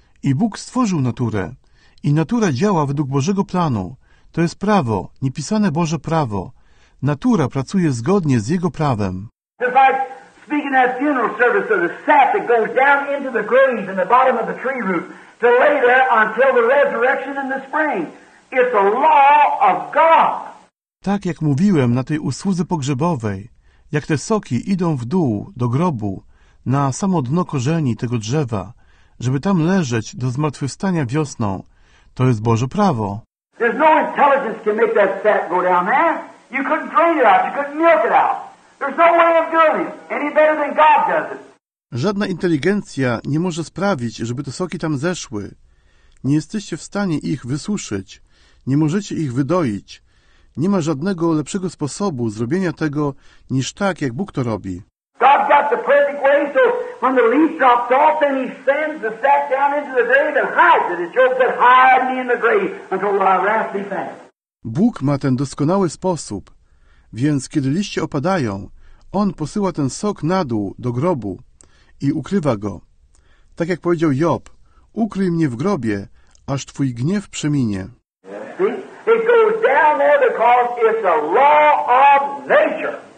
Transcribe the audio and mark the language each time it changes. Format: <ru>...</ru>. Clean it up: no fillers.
<pl>I Bóg stworzył naturę. I natura działa według Bożego planu. To jest prawo, niepisane Boże prawo. Natura pracuje zgodnie z Jego prawem.</pl> <en>It's like speaking at funeral service of the sap that goes down into the grave in the bottom of the tree root to lay there until the resurrection in the spring. It's a law of God.</en> <pl>Tak jak mówiłem na tej usłudze pogrzebowej, jak te soki idą w dół, do grobu, na samo dno korzeni tego drzewa, żeby tam leżeć do zmartwychwstania wiosną. To jest Boże prawo.</pl> <en>There's no intelligence can make that sap go down there. You couldn't drain it out. You couldn't milk it out. There's no way of doing it any better than God does it.</en> <pl>Żadna inteligencja nie może sprawić, żeby te soki tam zeszły. Nie jesteście w stanie ich wysuszyć. Nie możecie ich wydoić. Nie ma żadnego lepszego sposobu zrobienia tego, niż tak, jak Bóg to robi.</pl> <en>God's got the perfect way, so when the leaf drops off, then he sends the sap down into the grave and hides it. It's Job said, hide me in the grave until my wrath be fast.</en> <pl>Bóg ma ten doskonały sposób, więc kiedy liście opadają, on posyła ten sok na dół do grobu i ukrywa go. Tak jak powiedział Job, ukryj mnie w grobie, aż twój gniew przeminie.</pl> <en>See? It goes down there because it's a law of nature.</en>